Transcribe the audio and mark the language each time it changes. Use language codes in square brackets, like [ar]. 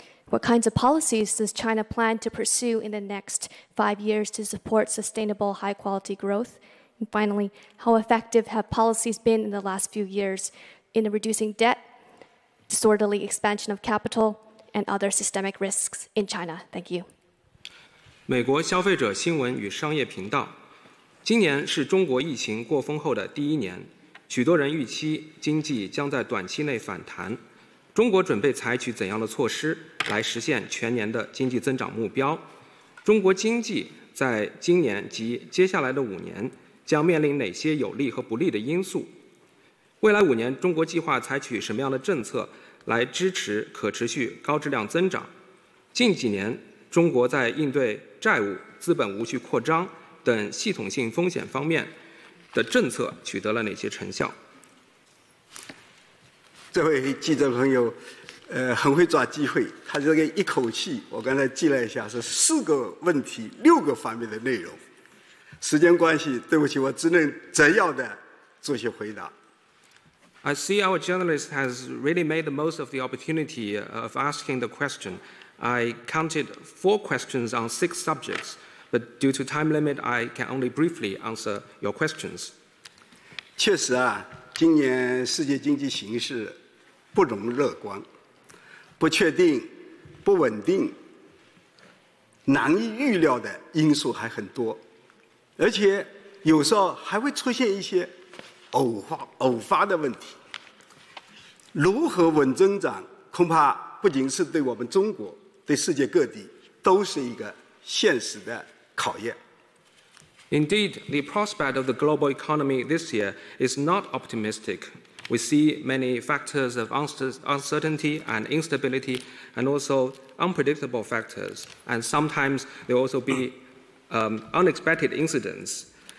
[en] What kinds of policies does China plan to pursue in the next 5 years to support sustainable high-quality growth? And finally, how effective have policies been in the last few years in reducing debt,disorderly expansion of capital and other systemic risks in China. Thank you. [zh] 美国消费者新闻与商业频道，今年是中国疫情过封后的第一年，许多人预期经济将在短期内反弹。中国准备采取怎样的措施来实现全年的经济增长目标？中国经济在今年及接下来的五年将面临哪些有利和不利的因素？未来五年，中国计划采取什么样的政策来支持可持续高质量增长？近几年，中国在应对债务、资本无序扩张等系统性风险方面的政策取得了哪些成效？这位记者朋友，很会抓机会。他这个一口气，我刚才记了一下，是四个问题，六个方面的内容。时间关系，对不起，我只能摘要的做些回答。 [en] I see our journalist has really made the most of the opportunity of asking the question. I counted four questions on six subjects, but due to time limit, I can only briefly answer your questions. [zh] 确实啊，今年世界经济形势不容乐观，不确定、不稳定、难以预料的因素还很多，而且有时候还会出现一些偶发的问题。如何稳增长，恐怕不仅是对我们中国，对世界各地都是一个现实的考验。 [en] Indeed, the prospect of the global economy this year is not optimistic. We see many factors of uncertainty and instability, and also unpredictable factors, and sometimes there also be unexpected incidents.